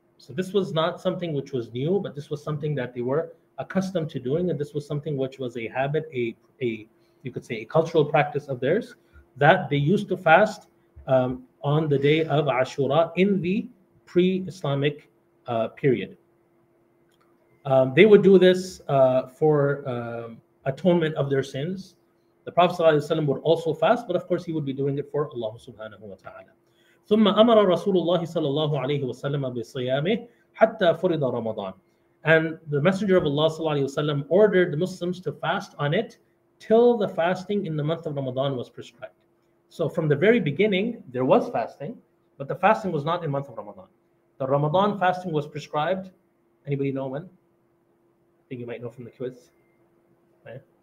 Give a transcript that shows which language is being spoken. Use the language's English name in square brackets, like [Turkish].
[English] So this was not something which was new, but this was something that they were accustomed to doing, and this was something which was a habit, a you could say a cultural practice of theirs, that they used to fast on the day of Ashura in the pre-Islamic period. They would do this for atonement of their sins. The Prophet ﷺ would also fast, but of course he would be doing it for Allah subhanahu wa ta'ala. [Arabic] ثم أمر رسول الله صلى الله عليه وسلم بصيامه حتى فرض رمضان. [English] And the Messenger of Allah صلى الله عليه وسلم ordered the Muslims to fast on it till the fasting in the month of Ramadan was prescribed. So from the very beginning, there was fasting, but the fasting was not in the month of Ramadan. The Ramadan fasting was prescribed. Anybody know when? I think you might know from the quiz. Right?